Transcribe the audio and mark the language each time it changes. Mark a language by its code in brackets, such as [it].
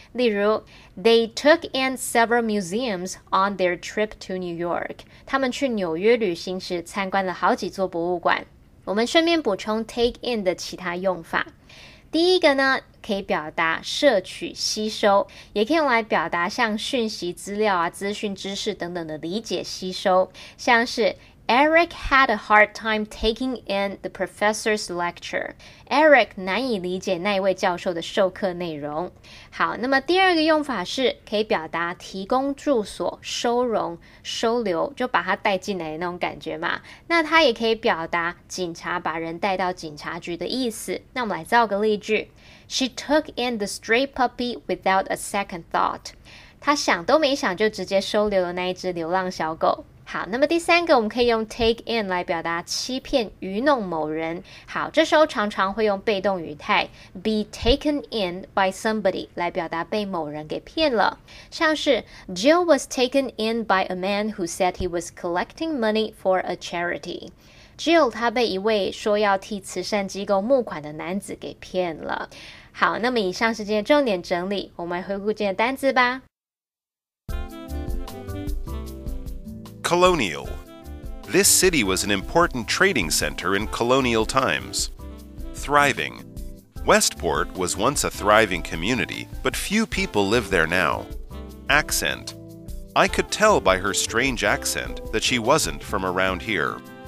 [zh] 例如 [en] ，They took in several museums on their trip to New York。 [zh] 他们去纽约旅行时参观了好几座博物馆。我们顺便补充 take in 的其他用法。第一个呢，可以表达摄取、吸收，也可以用来表达像讯息、资料啊、资讯、知识等等的理解、吸收。像是 [en] Eric had a hard time taking in the professor's lecture. [zh] Eric 难以理解那一位教授的授课内容。好，那么第二个用法是可以表达提供住所、收容、收留，就把他带进来的那种感觉嘛。那他也可以表达警察把人带到警察局的意思。那我们来造个例句。 [en] She took in the stray puppy without a second thought. [zh] 她想都没想就直接收留了那一只流浪小狗。好，那么第三个我们可以用 take in 来表达欺骗、愚弄某人。好，这时候常常会用被动语态 [en] be taken in by somebody [zh] 来表达被某人给骗了。像是 [en] Jill was taken in by a man who said he was collecting money for a charity. [zh] Jill 他被一位说要替慈善机构募款的男子给骗了。好，那么以上是今天的重点整理，我们来回顾今天的单字吧。 [en] Colonial. This city was an important trading center in colonial times. Thriving. Westport was once a thriving community, but few people live there now. Accent. I could tell by her strange accent that she wasn't from around here.